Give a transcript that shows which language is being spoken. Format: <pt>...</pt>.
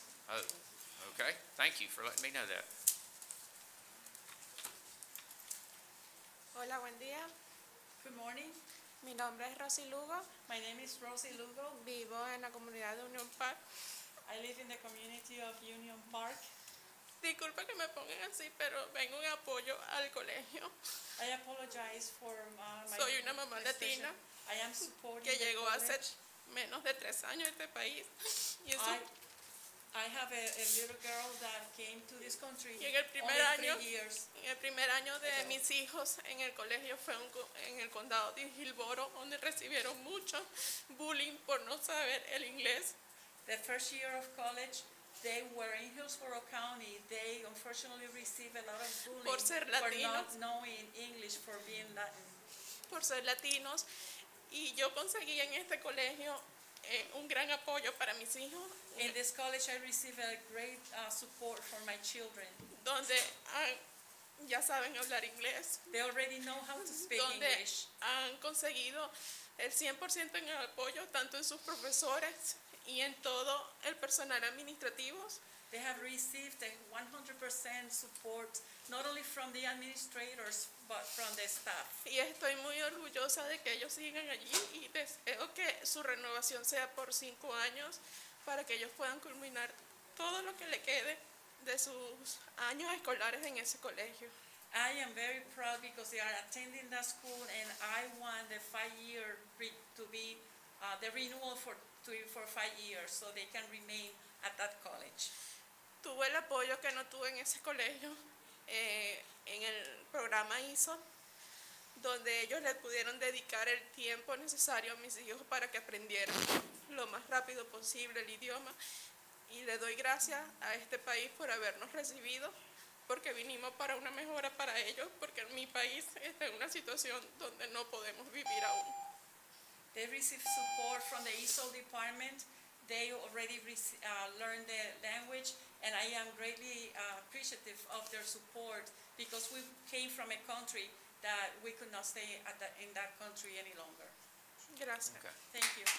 <en>Oh, okay. Thank you for letting me know that.</en> <es>Hola, buen día.</es> <en>Good morning.</en> <es>Mi nombre es Rosy Lugo.</es> <en>My name is Rosy Lugo.</en> <es>Vivo en la comunidad de Union Park.</es> <en>I live in the community of Union Park.</en> <es>Disculpa que me pongan así, pero vengo en apoyo al colegio.</es> <en>I apologize for my</en> <es>soy una mamá latina.</es> <en>I am supporting</en> <es>que llegó hace menos de tres años este país. Y eso</es> <en>I have a little girl that came to this country</en> <es>en el primer only año,</es> <en>3 years.</en> <es>En el primer año de ago. Mis hijos en el colegio fue en el condado de Hillsboro, donde recibieron mucho bullying por no saber el inglés.</es> <en>The first year of college, they were in Hillsboro County. They unfortunately received a lot of bullying</en> <es>por ser latinos.</es> <en>For not knowing English, for being Latin.</en> <es>Por ser latinos. Y yo conseguí en este colegio un gran apoyo para mis hijos.</es> <en>In this college, I received a great support for my children.</en> <es>Donde ya saben hablar inglés.</es> <en>They already know how to speak</en> <es>donde</es> <en>English.</en> <es>Donde han conseguido el 100% en el apoyo, tanto en sus profesores y en todo el personal administrativo.</es> <en>They have received a 100% support, not only from the administrators, but from the staff.</en> <es>Y estoy muy orgullosa de que ellos sigan allí y deseo que su renovación sea por 5 años para que ellos puedan culminar todo lo que le quede de sus años escolares en ese colegio.</es> <en>I am very proud because they are attending that school and I want the 5 year to be the renewal for 5 years so they can remain at that college.</en> <es>Tuve el apoyo que no tuve en ese colegio en el programa ISO, donde ellos le pudieron dedicar el tiempo necesario a mis hijos para que aprendieran lo más rápido posible el idioma. Y le doy gracias a este país por habernos recibido, porque vinimos para una mejora para ellos, porque mi país está en una situación donde no podemos vivir aún.</es> <en>They received support from the ISO department. They already learned the language, and I am greatly appreciative of their support because we came from a country that we could not stay at the, in that country any longer.</en> <es>Gracias.</es> <en>Okay. Thank you.</en>